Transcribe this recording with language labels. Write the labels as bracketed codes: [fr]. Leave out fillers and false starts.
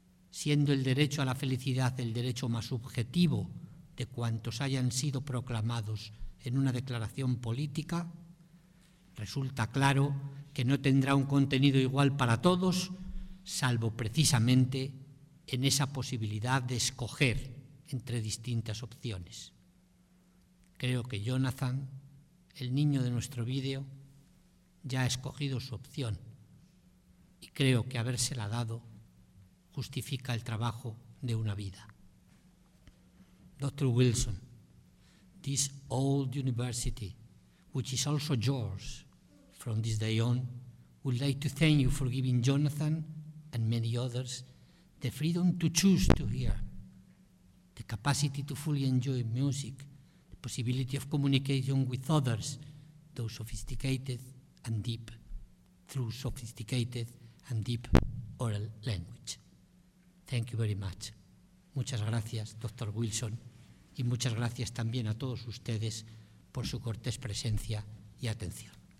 [es] Siendo el derecho a la felicidad el derecho más subjetivo de cuantos hayan sido proclamados en una declaración política, resulta claro que no tendrá un contenido igual para todos, salvo precisamente en esa posibilidad de escoger entre distintas opciones. Creo que Jonathan, el niño de nuestro vídeo, ya ha escogido su opción y creo que habérsela dado justifica el trabajo de una vida. [en] Dr. Wilson, this old university, which is also yours from this day on, would like to thank you for giving Jonathan and many others the freedom to choose to hear, the capacity to fully enjoy music, the possibility of communication with others, though sophisticated and deep, through sophisticated and deep oral language. Thank you very much. [es] Muchas gracias, [en] Dr. [es] Wilson, y muchas gracias también a todos ustedes por su cortés presencia y atención.